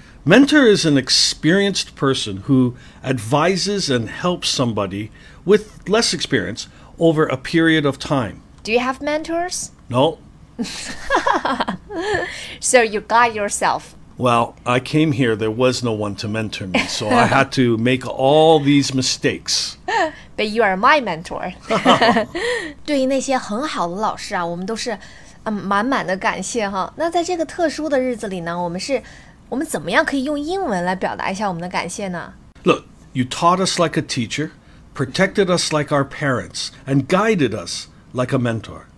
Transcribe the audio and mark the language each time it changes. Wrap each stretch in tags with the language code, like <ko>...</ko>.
<en>Mentor is an experienced person who advises and helps somebody with less experience over a period of time. Do you have mentors? No. So you guide yourself. Well, I came here, there was no one to mentor me, so I had to make all these mistakes. But you are my mentor.</en> <zh>对于那些很好的老师啊，我们都是满满的感谢哈。那在这个特殊的日子里呢，我们怎么样可以用英文来表达一下我们的感谢呢？</zh> <en>Look, you taught us like a teacher, protected us like our parents, and guided us like a mentor.</en>